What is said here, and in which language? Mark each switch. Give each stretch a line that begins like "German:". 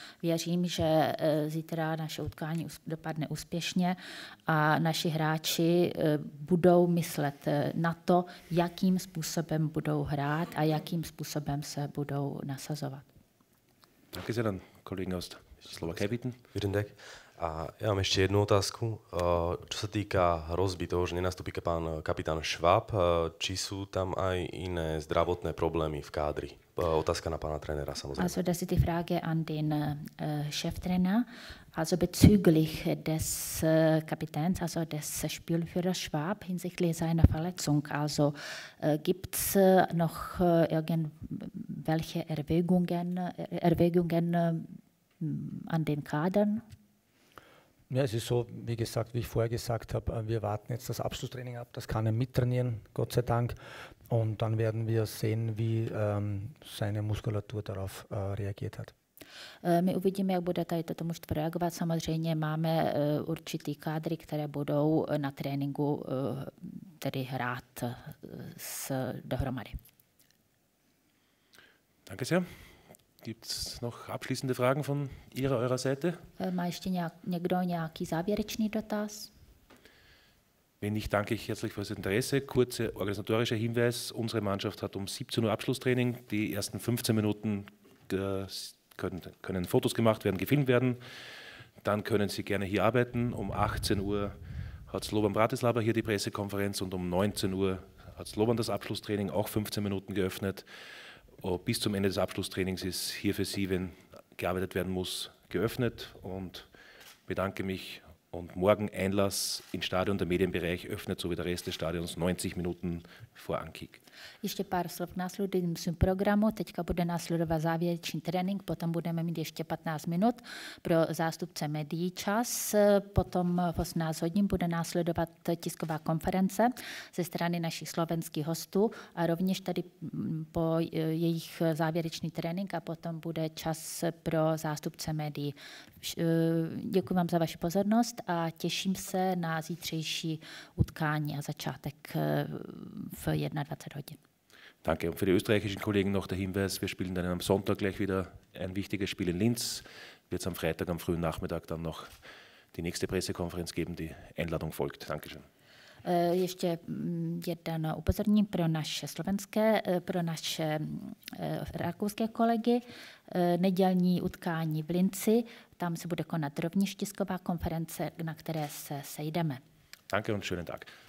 Czech: Věřím, že zítra naše utkání dopadne úspěšně a naši hráči budou myslet na to, jakým způsobem budou hrát a jakým způsobem se budou nasazovat.
German: Danke sehr, dann Kollegen aus Slowakei bitten. Vielen Dank.
Slovak: Ja mám ešte jednu otázku. Čo sa týka hrozby toho, že nenastúpi pán kapitán Schwab, či sú tam aj iné zdravotné problémy v kádri? Otázka na pána trénera, samozrejme.
German: Also, das ist die Frage an den Cheftrainer. Also bezüglich des Kapitäns, also des Spielführers Schwab hinsichtlich seiner Verletzung. Also gibt es noch irgendwelche Erwägungen an den Kadern? Ja, es ist so, wie gesagt, wie ich vorher gesagt habe, wir warten jetzt das Abschlusstraining ab, das kann er mittrainieren, Gott sei Dank. Und dann werden wir sehen, wie seine Muskulatur darauf reagiert hat.
Czech: My uvidíme, jak bude tady toto mužstvo reagovat. Samozřejmě máme určitý kádry, které budou na tréninku tedy hrát dohromady.
German: Danke sehr. Gibt es noch abschließende Fragen von Ihrer, eurer Seite?
Czech: Má ještě někdo nějaký závěrečný dotaz?
German: Wenn nicht, danke ich herzlich für das Interesse. Kurzer organisatorischer Hinweis. Unsere Mannschaft hat um 17 Uhr Abschlusstraining. Die ersten 15 Minuten können Fotos gemacht werden, gefilmt werden. Dann können Sie gerne hier arbeiten. Um 18 Uhr hat Slobodan Bratislava hier die Pressekonferenz und um 19 Uhr hat Slobodan das Abschlusstraining, auch 15 Minuten geöffnet. Bis zum Ende des Abschlusstrainings ist hier für Sie, wenn gearbeitet werden muss, geöffnet und bedanke mich. Und morgen Einlass ins Stadion, der Medienbereich öffnet so wie der Rest des Stadions 90 Minuten vor Ankick.
Czech: Ještě pár slov k následujícím programu. Teďka bude následovat závěrečný trénink, potom budeme mít ještě 15 minut pro zástupce médií čas. Potom v 18 hodin bude následovat tisková konference ze strany našich slovenských hostů a rovněž tady po jejich závěrečný trénink a potom bude čas pro zástupce médií. Děkuji vám za vaši pozornost a těším se na zítřejší utkání a začátek v 21 hodin.
German: Danke. Und für die österreichischen Kollegen noch der Hinweis, wir spielen dann am Sonntag gleich wieder ein wichtiges Spiel in Linz. Wird es am Freitag am frühen Nachmittag dann noch die nächste Pressekonferenz geben, die Einladung folgt. Dankeschön.
Czech: Ještě jedno upozornění pro naše slovenské, pro naše rakouské kolegy. Nedělní utkání v Linci, tam se bude konat rovněž tisková konference, na které se sejdeme.
German: Danke und schönen Tag.